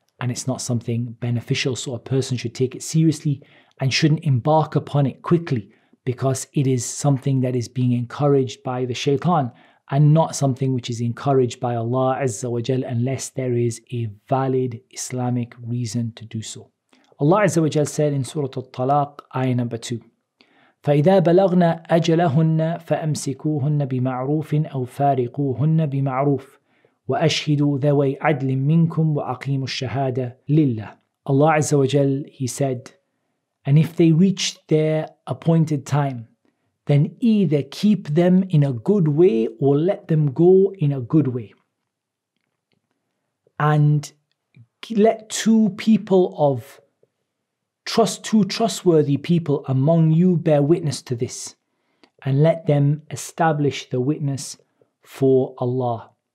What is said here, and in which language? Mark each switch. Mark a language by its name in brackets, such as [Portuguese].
[English] and it's not something beneficial. So a person should take it seriously and shouldn't embark upon it quickly, because it is something that is being encouraged by the shaitan and not something which is encouraged by Allah Azza wa Jal, unless there is a valid Islamic reason to do so. [Arabic] Allah Azza wa Jal said in Surah Al-Talaq, ayah number 2, فَإِذَا بَلَغْنَا أَجَلَهُنَّ فَأَمْسِكُوهُنَّ بِمَعْرُوفٍ أَوْ فَارِقُوهُنَّ بِمَعْرُوفٍ وَأَشْهِدُوا ذَوَيْ عَدْلٍ مِّنْكُمْ وَأَقِيمُوا الشَّهَادَةِ لِلَّهِ. [English] Allah Azza wa Jal, He said, and if they reach their appointed time, then either keep them in a good way or let them go in a good way. And let two people of trust, two trustworthy people among you bear witness to this, and let them establish the witness for Allah.